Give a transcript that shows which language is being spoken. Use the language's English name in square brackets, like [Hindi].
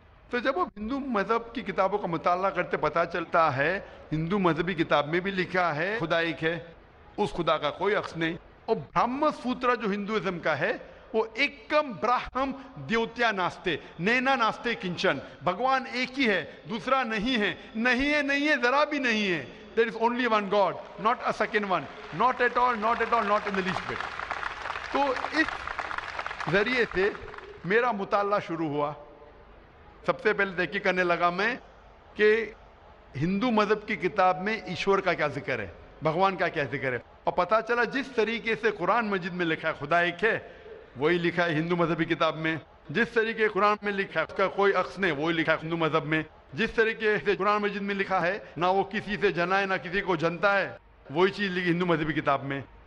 [Urdu] تو جب وہ ہندو مذہب کی کتابوں کا مطالعہ کرتے پتا چلتا ہے ہندو مذہبی کتاب میں بھی لکھا ہے خدا ایک ہے, اس خدا کا کوئی عکس نہیں, اور برہم سوترا جو ہندوازم کا ہے وہ [Sanskrit] ایکم برہم دیوتیا ناستے نینا ناستے کنچن, [Urdu] بھگوان ایک ہی ہے دوسرا نہیں ہے, نہیں ہے نہیں ہے ذرا بھی نہیں ہے. [English] There is only one God, not a second one, not at all, not at all, not in the least but. [Urdu] تو اس ذریعے سے میرا مطالعہ شروع ہوا. سب سے پہلے تحقیق کرنے لگا میں کہ ہندو مذہب کی کتاب میں ایشور کا کیا ذکر ہے, بھگوان کا کیا ذکر ہے, اور پتہ چلا جس طریقے سے قرآن مجید میں لکھا ہے خدا ایک ہے وہی لکھا ہے ہندو مذہبی کتاب میں, جس طریقے قرآن میں لکھا ہے اس کا کوئی عکس نہیں وہی لکھا ہے ہندو مذہب میں, جس طریقے سے قرآن مجید میں لکھا ہے نہ وہ کسی سے جنا ہے نہ کسی کو جنتا ہے وہی چیز لکھی ہندو مذہبی کتاب میں.